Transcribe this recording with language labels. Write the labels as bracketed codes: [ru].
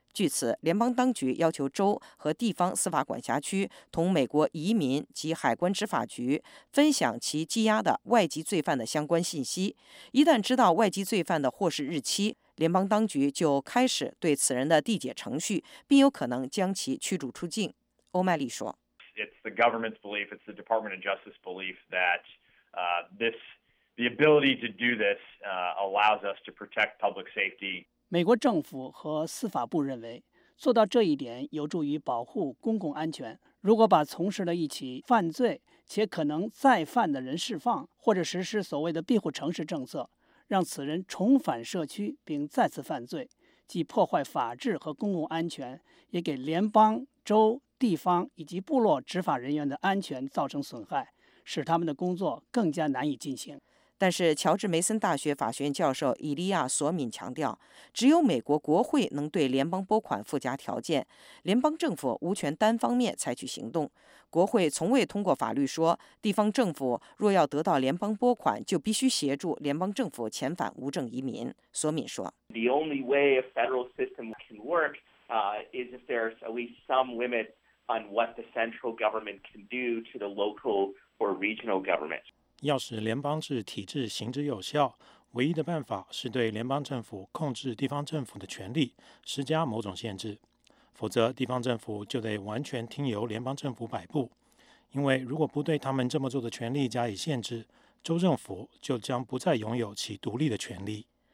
[zh] 据此，联邦当局要求州和地方司法管辖区同美国移民及海关执法局分享其羁押的外籍罪犯的相关信息。一旦知道外籍罪犯的获释日期，联邦当局就开始对此人的递解程序，并有可能将其驱逐出境。欧麦利说 [en] ：“It's the government's belief, it's the Department of Justice belief that this the ability to do this allows us to protect public safety.” [zh] 美国政府和司法部认为，做到这一点有助于保护公共安全。如果把从事了一起犯罪且可能再犯的人释放，或者实施所谓的庇护城市政策，让此人重返社区并再次犯罪，既破坏法治和公共安全，也给联邦、州、地方以及部落执法人员的安全造成损害，使他们的工作更加难以进行。但是乔治梅森大学法学院教授伊利亚·索敏强调，只有美国国会能对联邦拨款附加条件，联邦政府无权单方面采取行动。国会从未通过法律说，地方政府若要得到联邦拨款，就必须协助联邦政府遣返无证移民。索敏说 [en] ：“The only way a federal system can work, is if there's at least some limit on what the central government can do to the local or regional government.” [zh] 要使联邦制体制行之有效，唯一的办法是对联邦政府控制地方政府的权力施加某种限制。否则地方政府就得完全听由联邦政府摆布，因为如果不对他们这么做的权利加以限制，州政府就将不再拥有其独立的权利。